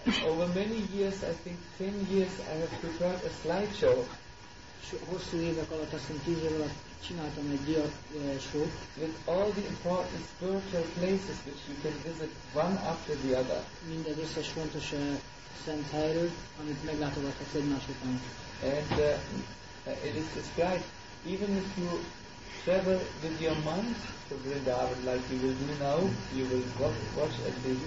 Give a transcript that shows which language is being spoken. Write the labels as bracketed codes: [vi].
[en] Over many years, I think 10 years, I have prepared a slideshow. With all the important spiritual places which you can visit one after the other. [hu] Szent helyről, amit meglátogathatsz egymás után. [en] And it is described, even if you travel with your monks to Vrindavan, like you will do now, you will watch at the